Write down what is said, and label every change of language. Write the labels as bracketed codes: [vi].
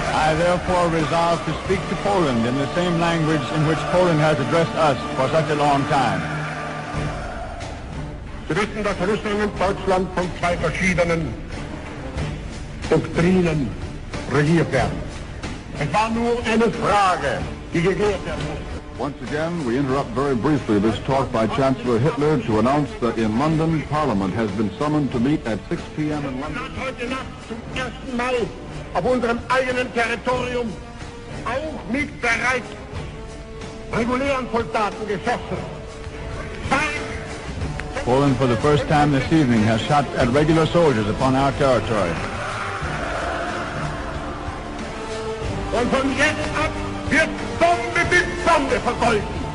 [en] I therefore resolve to speak to Poland in the same language in which Poland has addressed us for such a long time. [de] Sie wissen, dass Russland und Deutschland von zwei verschiedenen Doktrinen regiert werden. Es war nur eine Frage, die geklärt werden musste. [en] Once again, we interrupt very briefly this talk by Chancellor Hitler to announce that in London, Parliament has been summoned to meet at 6 p.m. in London. [de] Heute Nacht zum ersten Mal auf unserem eigenen Territorium auch mit bereits regulären Soldaten geschossen. [en] Poland, for the first time this evening, has shot at regular soldiers upon our territory. [de] Und von jetzt ab wird Bombe mit Bombe vergolten.